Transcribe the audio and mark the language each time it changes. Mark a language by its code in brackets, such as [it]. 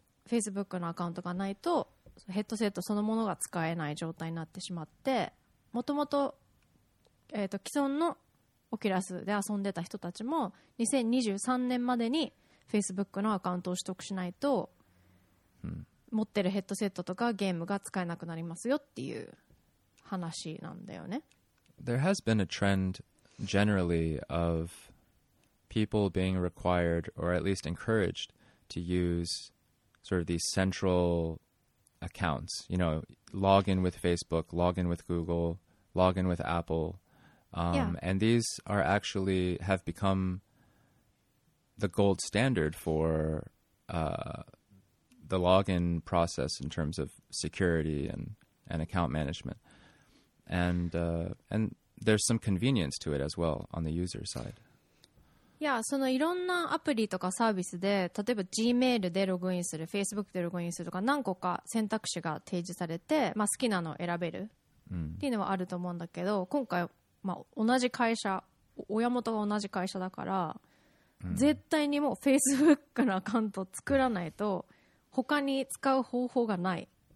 [ja] Facebook のアカウントがないとヘッドセットそのものが使えない状態になってしまってもともと既存のオキュラスで遊んでた人たちも2023年までに Facebook のアカウントを取得しないと持ってるヘッドセットとかゲームが使えなくなりますよっていう話なんだよね。 [en] There has been a trend generally of people being required or at least encouraged to use sort of these central accounts, you know, log in with Facebook, log in with Google, log in with Apple Yeah. And these are actually have become the gold standard for the login process in terms of security and account management. And there's some convenience to it as well on the user side. [ja] Yeah, そのいろんなアプリとかサービスで、例えば Gmail でログインする、Facebook でログインするとか何個か選択肢が提示されて、まあ、好きなのを選べるっていうのはあると思うんだけど、今回まあ、同じ会社親元が同じ会社だから、うん、絶対にもう Facebook のアカウント作らないと他に使う方法がない、